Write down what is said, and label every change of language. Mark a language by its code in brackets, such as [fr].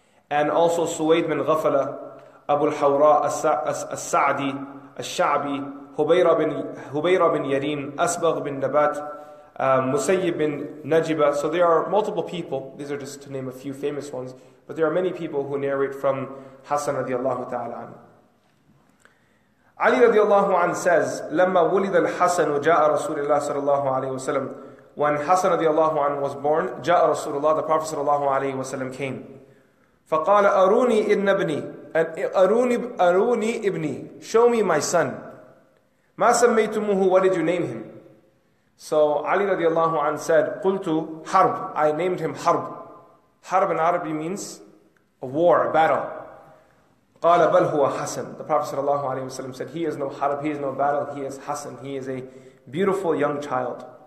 [en] And also Suwaid bin Ghafala, Abu al-Hawra, as-Sa'di, as-Sha'bi, Hubayra bin Yareem, Asbagh bin Nabat, Musayyib bin Najibah. So there are multiple people. These are just to name a few famous ones. But there are many people who narrate from Hassan radiallahu ta'ala anhu. Ali radiallahu anhu says, [ar] لَمَّا وُلِدَ الْحَسَنُ جَاءَ رَسُولِ اللَّهِ صَلَى اللَّهُ عَلَيْهِ وَسَلَمْ. [en] When Hassan radiallahu anhu was born, [ar] جَاءَ رَسُولُ اللَّهِ, [en] the Prophet sallallahu alayhi wa sallam came. [ar] فَقَالَ أَرُونِي إِنَّبْنِي أَرُونِي إِبْنِي, [en] show me my son. [ar] مَا سَمَّيْتُمُهُ, [en] what did you name him? So Ali radiallahu anhu said, [ar] قُلْتُ حَرْب, [en] I named him حَرْب. حَرْب in Arabic means a war, a battle. [ar] قَالَ بَلْ هُوَ حَسَن, [en] the Prophet sallallahu alayhi wa sallam said, he is no حَرْب, he is no battle, he is حَسَن, he is a beautiful young child.